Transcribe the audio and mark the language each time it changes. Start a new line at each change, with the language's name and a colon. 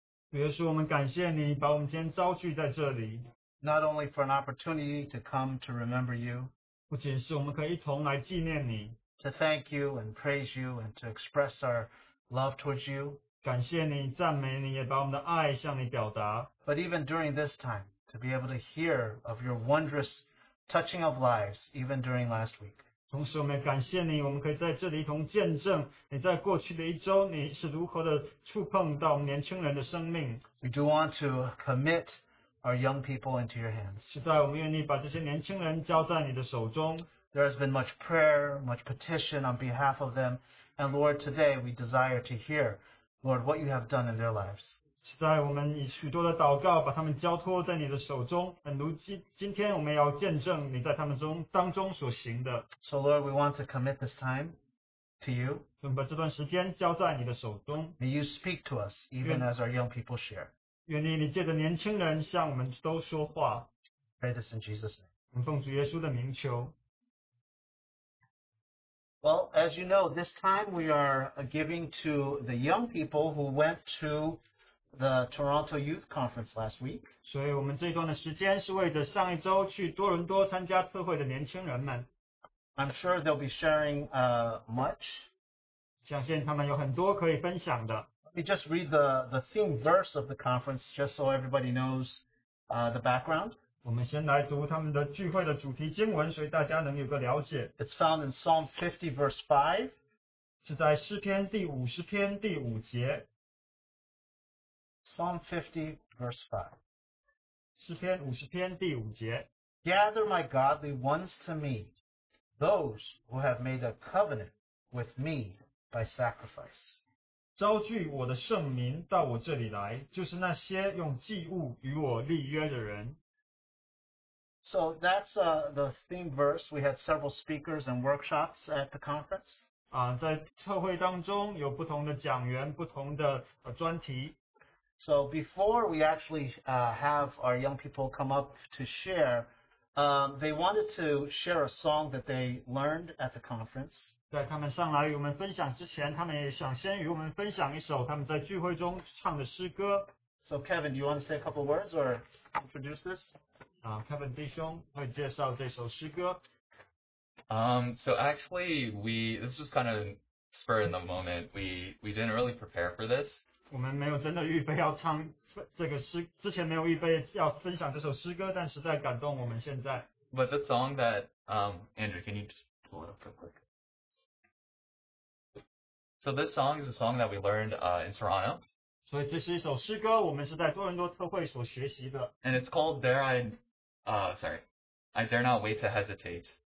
Chinese: 主耶稣，我们感谢你把我们今天召聚在这里。
English: Not only for an opportunity to come to remember you,
Chinese: 不仅是我们可以一同来纪念你。
English: To thank you and praise you and to express our love towards you.
Chinese: 感谢你，赞美你，也把我们的爱向你表达。
English: But even during this time, to be able to hear of your wondrous touching of lives, even during last week.
Chinese: 同时，我们也感谢你，我们可以在这里一同见证你在过去的一周，你是如何的触碰到我们年轻人的生命。
English: We do want to commit our young people into your hands.
Chinese: 现在，我们愿意把这些年轻人交在你的手中。
English: There has been much prayer, much petition on behalf of them, and Lord, today we desire to hear, Lord, what you have done in their lives.
Chinese: 现在，我们以许多的祷告把他们交托在你的手中，如今天我们要见证你在他们当中所行的。
English: So Lord, we want to commit this time to you.
Chinese: 我们把这段时间交在你的手中。
English: May you speak to us, even as our young people share.
Chinese: 愿你借着年轻人向我们都说话。
English: Pray this in Jesus' name.
Chinese: 我们奉主耶稣的名求。
English: Well, as you know, this time we are giving to the young people who went to the Toronto Youth Conference last week.
Chinese: 所以我们这段的时间是为着上一周去多伦多参加特会的年轻人们。
English: I'm sure they'll be sharing much.
Chinese: 相信他们有很多可以分享的。
English: Let me just read the theme verse of the conference just so everybody knows the background.
Chinese: 我们先来读他们的聚会的主题经文，所以大家能有个了解。
English: It's found in Psalm 50 verse 5.
Chinese: 是在诗篇第五十篇第五节。
English: Psalm 50 verse 5.
Chinese: 诗篇五十篇第五节。
English: Gather my godly ones to me, those who have made a covenant with me by sacrifice.
Chinese: 召聚我的圣民到我这里来，就是那些用祭物与我立约的人。
English: So that's the theme verse. We had several speakers and workshops at the conference.
Chinese: 在特会当中有不同的讲员，不同的专题。
English: So before we actually have our young people come up to share, they wanted to share a song that they learned at the conference.
Chinese: 在他们上来与我们分享之前，他们也想先与我们分享一首他们在聚会中唱的诗歌。
English: So Kevin, do you want to say a couple words or introduce this?
Chinese: Kevin 弟兄会介绍这首诗歌。
English: So actually, this was kind of spur in the moment. We didn't really prepare for this.
Chinese: 我们没有真的预备要唱这个诗，之前没有预备要分享这首诗歌，但实在感动我们现在。
English: But the song that, Andrew, can you just pull it up real quick? So this song is a song that we learned in Toronto.
Chinese: 所以这是一首诗歌，我们是在多伦多特会所学习的。
English: And it's called There I, I dare not wait to hesitate.